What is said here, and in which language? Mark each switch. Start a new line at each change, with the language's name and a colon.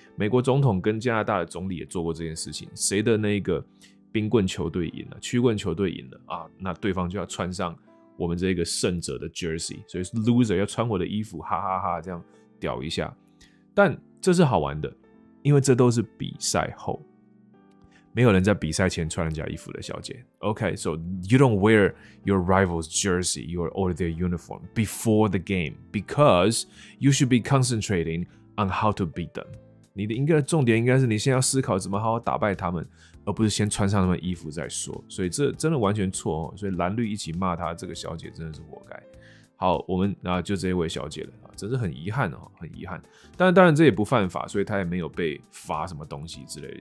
Chinese: 美国总统跟加拿大的总理也做过这件事情，谁的那个冰棍球队赢了，曲棍球队赢了啊，那对方就要穿上。我们这个胜者的 jersey， 所以 loser 要穿我的衣服，哈哈 哈这样屌一下。但这是好玩的，因为这都是比赛后，没有人在比赛前穿人家衣服的，小姐。
English: OK， so you don't wear your rival's jersey, your or their uniform before the game because you should be concentrating on how to beat them。
Chinese: 你的应该重点应该是你先要思考怎么好好打败他们，而不是先穿上他们衣服再说。所以这真的完全错哦。所以蓝绿一起骂他这个小姐真的是活该。好，我们啊就这一位小姐了，真是很遗憾哦，很遗憾。但当然这也不犯法，所以她也没有被罚什么东西之类的。